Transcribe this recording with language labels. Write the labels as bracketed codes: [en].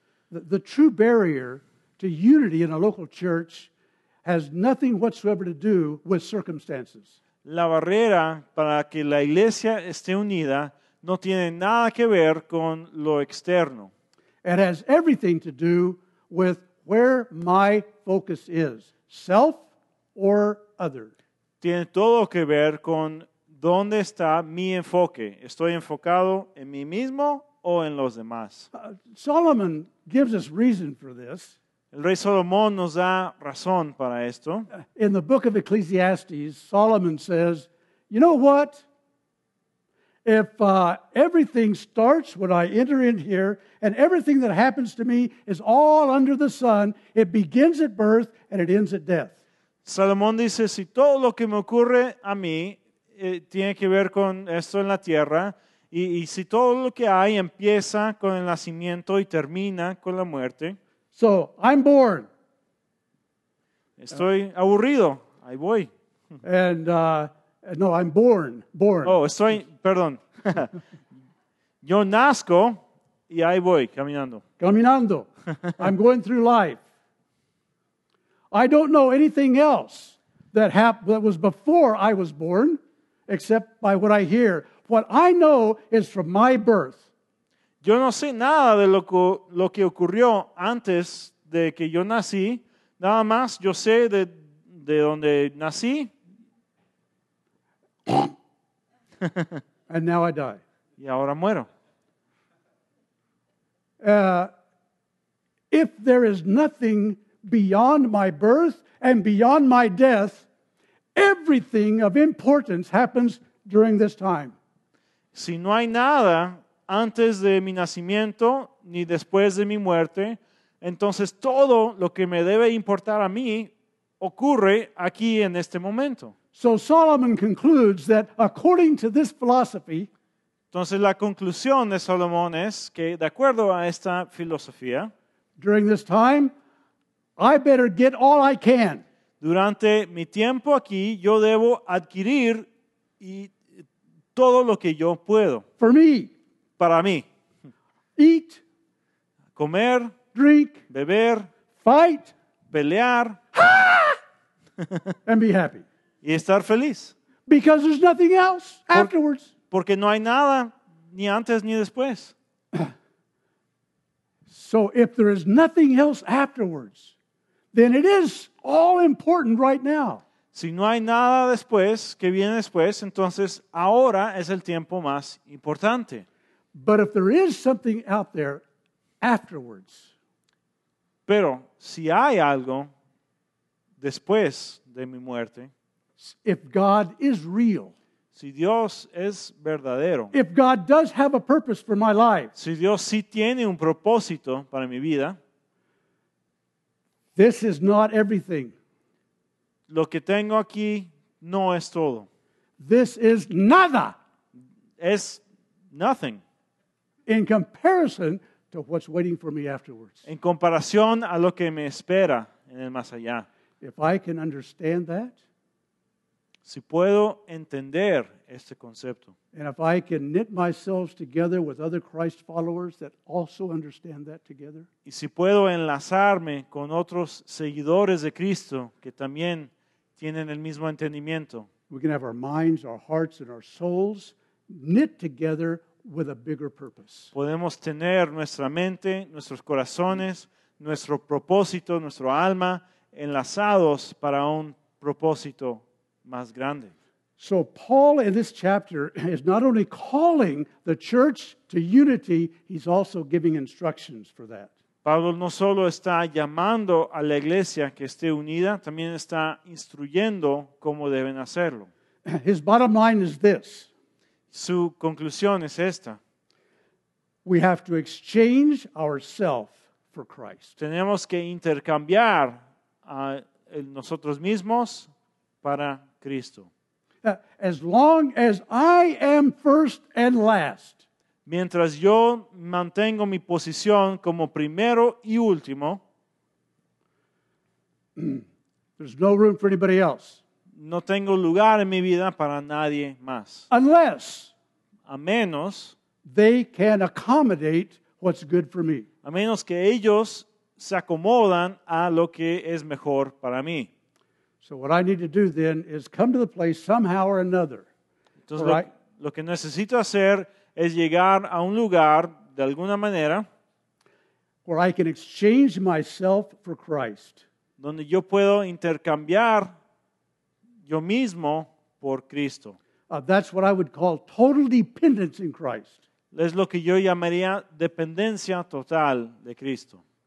[en] The true barrier to unity in a local church has nothing whatsoever to do with circumstances. [es] La barrera para que la iglesia esté unida no tiene nada que ver con lo externo. [en] It has everything to do with where my focus is, self or other. [es] Tiene todo que ver con dónde está mi enfoque. ¿Estoy enfocado en mí mismo o en los demás? [en] Solomon gives us reason for this. [es] El rey Salomón nos da razón para esto. [en] In the book of Ecclesiastes, Solomon says, you know what? If everything starts when I enter in here, and everything that happens to me is all under the sun, it begins at birth and it ends at death. [es] Salomón dice, si todo lo que me ocurre a mí tiene que ver con esto en la tierra, y si todo lo que hay empieza con el nacimiento y termina con la muerte. [en] So, I'm born. [es] Estoy aburrido. Ahí voy. [en] And no, I'm born. Born. [es] Oh, estoy, perdón. Yo nazco y ahí voy, caminando. Caminando. [en] I'm going through life. I don't know anything else that was before I was born, except by what I hear. What I know is from my birth. [es] Yo no sé nada de lo que ocurrió antes de que yo nací. Nada más yo sé de donde nací. [en] And now I die. [es] Y ahora muero. [en] If there is nothing beyond my birth and beyond my death, everything of importance happens during this time. [es] Si no hay nada antes de mi nacimiento ni después de mi muerte, entonces todo lo que me debe importar a mí ocurre aquí en este momento. [en] So Solomon concludes that according to this philosophy, [es] entonces la conclusión de Salomón es que de acuerdo a esta filosofía, [en] during this time, I better get all I can. [es] Durante mi tiempo aquí, yo debo adquirir y todo lo que yo puedo. [en] For me. [es] Para mí. [en] Eat. [es] Comer. [en] Drink. [es] Beber. [en] Fight. [es] Pelear. [en] Ha! And be happy. [es] Y estar feliz. [en] Because there's nothing else afterwards. [es] Porque no hay nada, ni antes ni después. [en] So if there is nothing else afterwards, then it is all important right now. [es] Si no hay nada después, que viene después, entonces ahora es el tiempo más importante. [en] But if there is something out there afterwards, [es] pero si hay algo después de mi muerte, [en] if God is real, [es] si Dios es verdadero, [en] if God does have a purpose for my life, [es] si Dios sí tiene un propósito para mi vida, [en] this is not everything. [es] Lo que tengo aquí no es todo. [en] This is [es] nada. Es [en] nothing. In comparison to what's waiting for me afterwards. [es] En comparación a lo que me espera en el más allá. [en] If I can understand that, [es] si puedo entender este concepto, [en] and if I can knit myself together with other Christ followers that also understand that together, [es] y si puedo enlazarme con otros seguidores de Cristo que también tienen el mismo entendimiento, [en] we can have our minds, our hearts, and our souls knit together with a bigger purpose. [es] Podemos tener nuestra mente, nuestros corazones, nuestro propósito, nuestro alma enlazados para un propósito más grande. [en] So Paul in this chapter is not only calling the church to unity, he's also giving instructions for that. [es] Pablo no solo está llamando a la iglesia que esté unida, también está instruyendo cómo deben hacerlo. [en] His bottom line is this. [es] Su conclusión es esta. [en] We have to exchange ourselves for Christ. [es] Tenemos que intercambiar a nosotros mismos para Cristo. [en] As long as I am first and last, [es] mientras yo mantengo mi posición como primero y último, [en] there's no room for anybody else. [es] No tengo lugar en mi vida para nadie más. [en] Unless, [es] a menos, [en] they can accommodate what's good for me. [es] A menos que ellos se acomodan a lo que es mejor para mí. [en] So what I need to do then is come to the place somehow or another. [es] Entonces, lo que necesito hacer es llegar a un lugar de alguna manera [en] where I can exchange myself for Christ. [es] Donde yo puedo intercambiar yo mismo por Cristo. [en] That's what I would call total dependence in Christ. [es] Es lo que yo llamaría dependencia total de Cristo.